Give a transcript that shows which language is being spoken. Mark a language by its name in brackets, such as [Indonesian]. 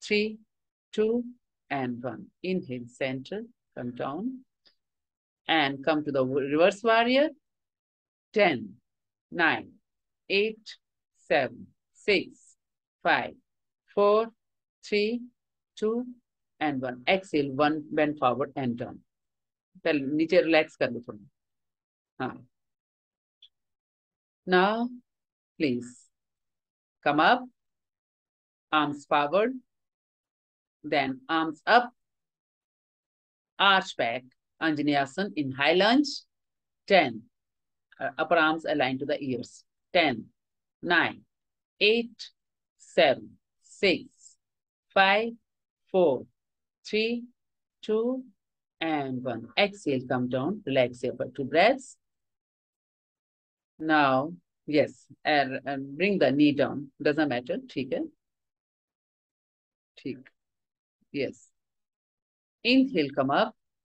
[English] 10, 9, 8, 7, 6, 5, 4, 3, 2, and 1. Inhale, center, come down. And come to the reverse warrior. 10, 9, 8, 7, 6, 5, 4, 3, 2, and 1. Exhale, one bend forward and down. [Hindi] पहले नीचे relax कर लो थोड़ा। [English] हाँ, now please come up, arms forward, then arms up, arch back, Anjaneyasana in high lunge, 10, upper arms align to the ears, 10, 9, 8, 7, 6, 5, 4, 3, 2, and 1. Exhale, come down, relax here for 2 breaths. Now, yes, and bring the knee down, doesn't matter, [Hindi] theek hai? Theek. [English] Yes. Inhale, come up.